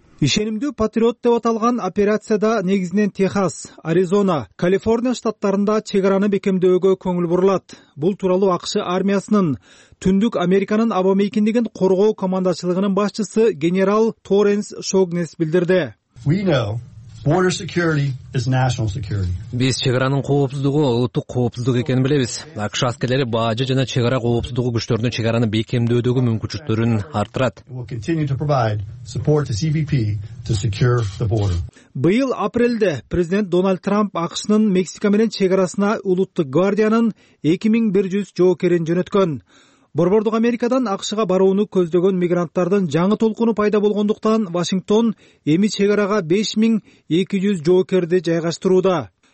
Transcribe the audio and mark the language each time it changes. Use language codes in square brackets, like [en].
[ky] Ишенимдүү патриот деп аталган операцияда негизинен Техас, Аризона, Калифорния штаттарында чек араны бекемдөөгө көңүл бурулат. Бул тууралуу АКШ армиясынын Түндүк Американын аба мейкиндигин коргоо командачылыгынын башчысы генерал Торенс Шогнес билдирди. [en] We know Border security is national security. [ky] Биз чегаранын коопсуздугу улуттук коопсуздук экенин билебиз. АКШ аскерлери бажы жана чегара коопсуздугу күчтөрүнө чегараны бекемдөөдөгү мүмкүнчүлүктөрүн арттырат. [en] We will continue to provide support to CBP to secure the border. [ky] Быйыл апрелде президент Дональд Трамп АКШнын Мексика менен чегарасына улуттук гвардиянын 2100 жоокерин жөнөткөн. Борбордук Америкадан АКШга барууну көздөгөн мигранттардын жаңы толкуну пайда болгондуктан Вашингтон эми чегарага 5200 жоокерди жайгаштырууда.